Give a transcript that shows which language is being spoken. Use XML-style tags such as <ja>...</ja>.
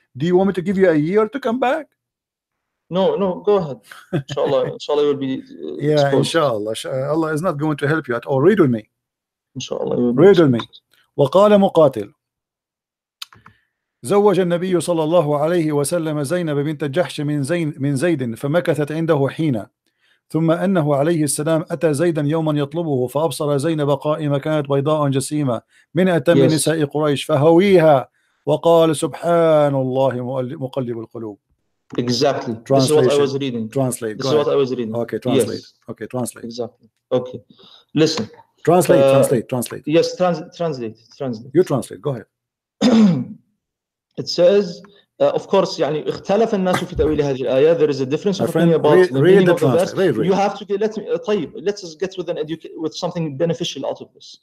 <en>Do you want me to give you a year to come back? No. Go ahead. Inshallah, you will be. Yeah, inshallah. Allah is not going to help you at all. Read with me. Inshallah. Read with me.</en> <ar>وقال مقاتل زوج النبي صلى الله عليه وسلم زينب بنت جحش من زيد فمكثت عنده حين ثم أنه عليه السلام أتى زيدا يوما يطلبه فأبصر زينب قائمة كانت بيضاء جسيمة من أتم yes. نساء قريش فهويها وقال سبحان الله مقلب القلوب</ar> <en>Exactly. Translation. This is what I was reading. Translate. This is what I was reading. Okay, translate. Yes. Okay, translate. Exactly. Okay. Listen. Translate, translate, translate. Yes, translate. You translate. Go ahead. It says, of course,</en> <ar>يعني اختلف الناس في تأويل هذه الآية.</ar> <en>There is a difference of opinion about the meaning of the verse. You have to get. Let's get with an educate with something beneficial out of this.</en>